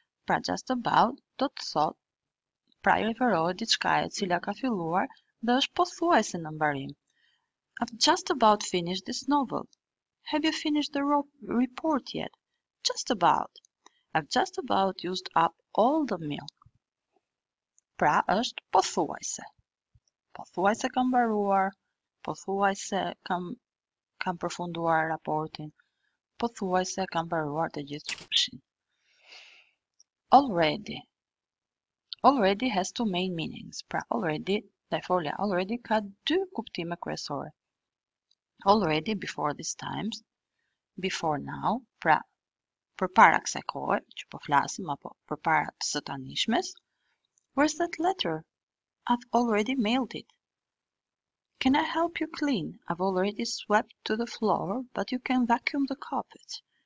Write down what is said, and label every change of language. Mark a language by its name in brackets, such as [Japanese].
[Albanian] Pra just about do të thot, pra I referohet diçka e cila ka filluar dhe është pothuajse në mbarim. [English] I've just about finished this novel. Have you finished the report yet? Just about. I've just about used up all the milk. [Albanian] Pra është pothuajse. Pothuajse kam mbaruar, pothuajse kam përfunduar raportin, pothuajse kam mbaruar të gjithë qumshin. Already. [English] Already has two main meanings. [Albanian] Pra already, dhe folja, already ka dy kuptime kryesore. [English] Already before these times, before now, [Albanian] pra përpara kësaj kohe që po flasim apo përpara të së tanishmes, [English] where's that letter? I've already mailed it. Can I help you clean? I've already swept to the floor, but you can vacuum the carpet.